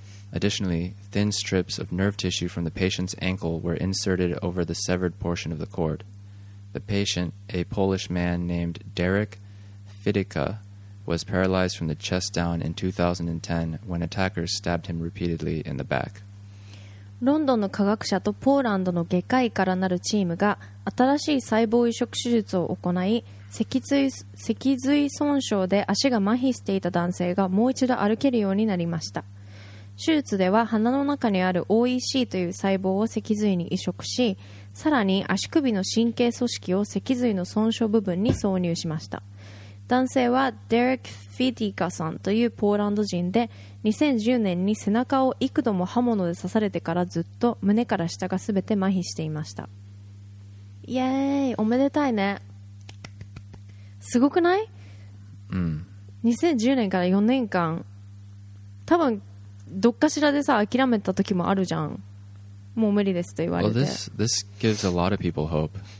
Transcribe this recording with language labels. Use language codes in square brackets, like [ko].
[en] Additionally, thin strips of nerve tissue from the patient's ankle were inserted over the severed portion of the cord. The patient, a Polish man named Derek Fidica,was paralyzed from the chest down in 2010 when attackers stabbed him repeatedly in the back. [ja] ロンドンの科学者とポーランドの外科医からなるチームが新しい細胞移植手術を行い、脊髄損傷で足が麻痺していた男性がもう一度歩けるようになりました。手術では鼻の中にある OEC という細胞を脊髄に移植し、さらに足首の神経組織を脊髄の損傷部分に挿入しました。男性はデレック・フィディカさんというポーランド人で、2010年に背中を幾度も刃物で刺されてからずっと胸から下がすべて麻痺していました。イエーイ、おめでたいね。すごくない？うん。 2010年から4年間、多分どっかしらでさ諦めた時もあるじゃん、もう無理ですと言われて。 [en] Well, this gives a lot of people hope.